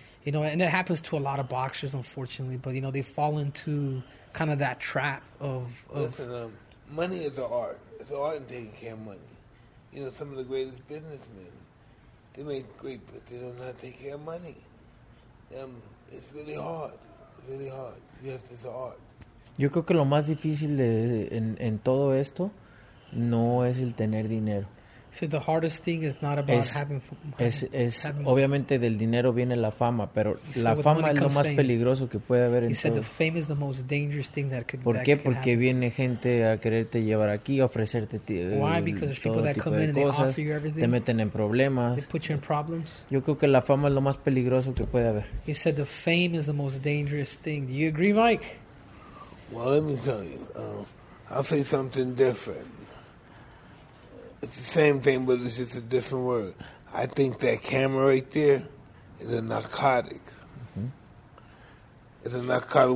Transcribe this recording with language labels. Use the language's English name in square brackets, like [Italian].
[English] You know, and it happens to a lot of boxers, unfortunately. But, you know, they fall into kind of that trap of listen, money is an art. It's an art in taking care of money. You know, some of the greatest businessmen, they make great, but they don't know how to take care of money. It's really hard. It's really hard. Yes, it's an art. [Spanish] Yo creo que lo más difícil en todo esto no es el tener dinero. [English] So the hardest thing is not about having [Spanish] obviamente del dinero viene la fama, pero la fama es lo más peligroso que puede haber en todo. [English] He said the fame is the most dangerous thing that could happen. [Spanish] ¿Por qué? Porque viene gente a quererte llevar aquí, ofrecerte todo tipo de cosas. [English] Why? Because there's people that come in and they offer you everything. [Spanish] Te meten en problemas. [English] They put you in problems. [Spanish] Yo creo que la fama es lo más peligroso que puede haber. [English] He said the fame is the most dangerous thing. Do you agree, Mike? Well, let me tell you. I'll say something different. It's the same thing, but it's just a different word. I think that camera right there is a narcotic. Mm-hmm. It's a narcotic.